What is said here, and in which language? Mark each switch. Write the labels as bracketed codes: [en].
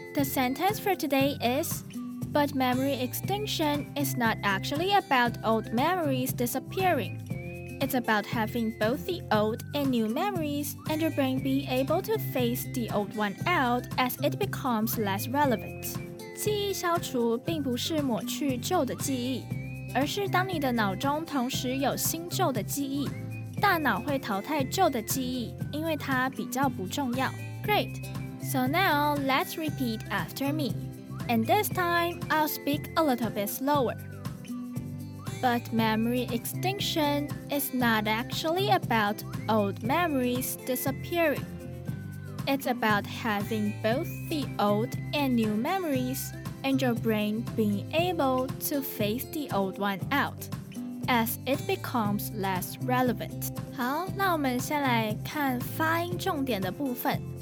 [en] The sentence for today is, but memory extinction is not actually about old memories disappearing. It's about having both the old and new memories and your brain being able to phase the old one out as it becomes less relevant. [zh] 记忆消除并不是抹去旧的记忆，而是当你的脑中同时有新旧的记忆，大脑会淘汰旧的记忆，因为它比较不重要。 [en] Great! So now, let's repeat after me. And this time, I'll speak a little bit slower. But memory extinction is not actually about old memories disappearing. It's about having both the old and new memories and your brain being able to phase the old one out as it becomes less relevant. [zh] 好，那我们先来看发音重点的部分。